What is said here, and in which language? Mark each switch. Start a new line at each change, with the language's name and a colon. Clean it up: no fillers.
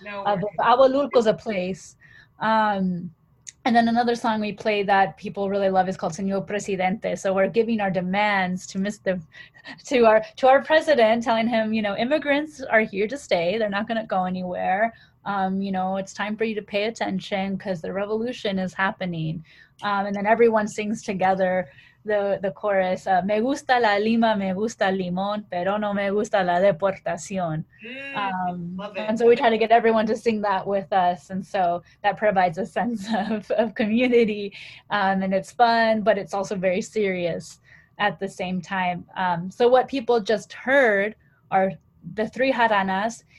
English: Agualulco is a place. And then another song we play that people really love is called Señor Presidente. So we're giving our demands to our president, telling him, you know, immigrants are here to stay. They're not going to go anywhere. You know, it's time for you to pay attention because the revolution is happening. And then everyone sings together the chorus,
Spanish: me gusta la lima, me gusta limón, pero no me gusta la deportación.
English: And so we try to get everyone to sing that with us, and so that provides a sense of community, and it's fun, but it's also very serious at the same time. So what people just heard are the three jaranas.